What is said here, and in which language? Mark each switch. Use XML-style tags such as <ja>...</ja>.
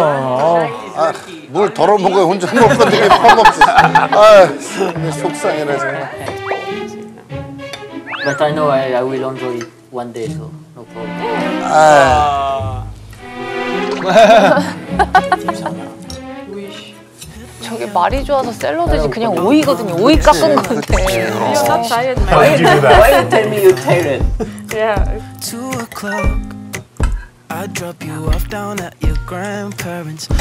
<ko>아, 뭘 덜어 먹어 혼자 먹고 되게 파먹지. 아, 속상해라 정말.</ko> <en>But I know I will enjoy it one day, so no problem. 아.</en> <ko>저게 말이 좋아서 샐러드지 그냥 오이거든요. 오이 깎은 건데.</ko> <en>Why you do that? Why you tell me you tell it? Yeah. 2 o'clock. I drop you off down at your grandparents.</en>